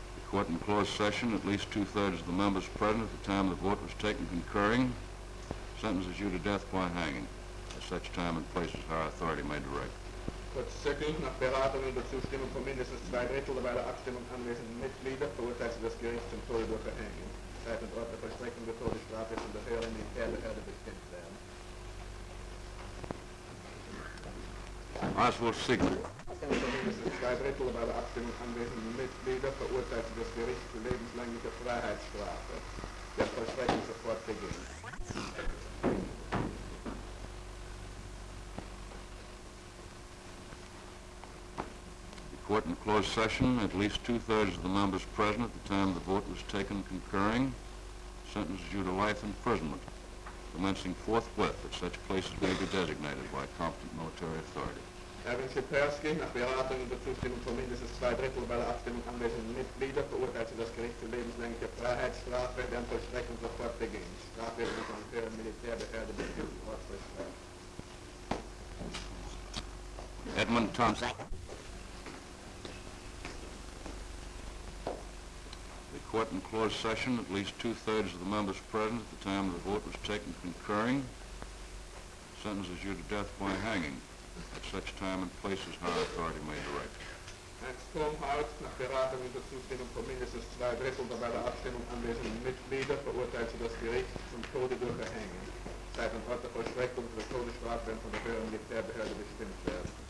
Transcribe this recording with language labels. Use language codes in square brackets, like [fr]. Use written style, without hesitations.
[en] Court in closed session, at least two-thirds of the members present at the time the vote was taken concurring, sentences you to death by hanging at such time and place as our authority may direct. [de] Court second, nach Beratung und Zustimmung von mindestens zwei Drittel der bei der Abstimmung anwesenden Mitglieder, verurteilte das Gericht zum Tode durch Verhängen. Zeit und Ort der Vollstreckung der Todesstrafe von der höheren Militärbehörde bestimmt werden. Oswald Siegler. Zwei Drittel bei der Abstimmung anwesenden Mitglieder verurteilte das Gericht zu lebenslänglicher Freiheitsstrafe. Der Vollstreckung sofort beginnt. [en] The court in closed session, at least two-thirds of the members present at the time the vote was taken concurring, sentences you to life imprisonment, commencing forthwith at such places may be designated by competent military authority. [de] Erwin Schipersky, nach Beratung und Zustimmung von mindestens zwei Drittel bei der Abstimmung anwesenden Mitglieder, verurteilte das Gericht zu lebenslänglicher Freiheitsstrafe, deren Vollstreckung sofort beginnt. Strafe wird von der Militärbehörde bestimmt, sofort vollstreckt. Edmund Thompson. [en] The court in closed session, at least two-thirds of the members present at the time the vote was taken concurring, sentences you to death by hanging at such time and place as our authority may direct. [de] Hans Turmhout, nach Beratung und Zustimmung von mindestens zwei Drittel der bei der Abstimmung anwesenden Mitglieder, verurteilte das Gericht zum Tode durch Verhängen. Zeit und Ort der Vollstreckung der Todesstrafe werden von der höheren Militärbehörde bestimmt werden.